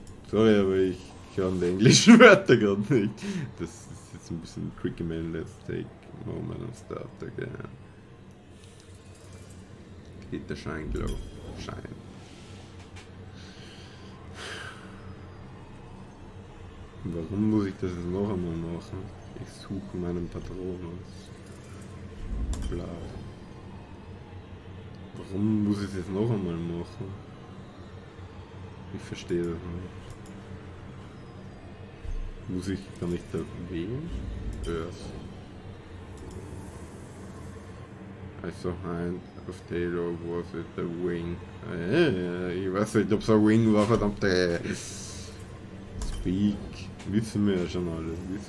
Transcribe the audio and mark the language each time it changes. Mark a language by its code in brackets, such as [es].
[de] Sorry, aber ich kann die englischen Wörter gerade nicht. Das ist jetzt ein bisschen tricky, man. [en] Let's take a moment and start again. [de] Geht der Schein, glaube ich. Schein. Warum muss ich das jetzt noch einmal machen? Ich suche meinen Patronus. Bla. Warum muss ich es jetzt noch einmal machen? Ich verstehe das nicht. Muss ich gar nicht da wählen? [en] Earth. I saw hand of Taylor, was it a wing? [de] Ich weiß nicht, ob es ein Wing war, verdammte. [en] Speak. [de] Wissen wir ja schon alles.